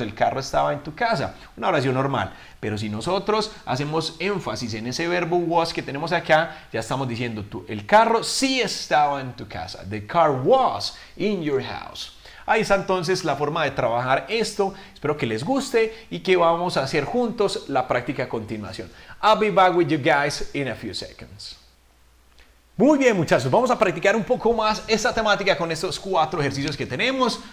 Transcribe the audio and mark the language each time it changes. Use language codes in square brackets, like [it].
[es] El carro estaba en tu casa. Una oración normal. Pero si nosotros hacemos énfasis en ese verbo was que tenemos acá, ya estamos diciendo tú, el carro sí estaba en tu casa. [en] The car was in your house. [es] Ahí está entonces la forma de trabajar esto. Espero que les guste y que vamos a hacer juntos la práctica a continuación. [en] I'll be back with you guys in a few seconds. [es] Muy bien, muchachos. Vamos a practicar un poco más esta temática con estos cuatro ejercicios que tenemos.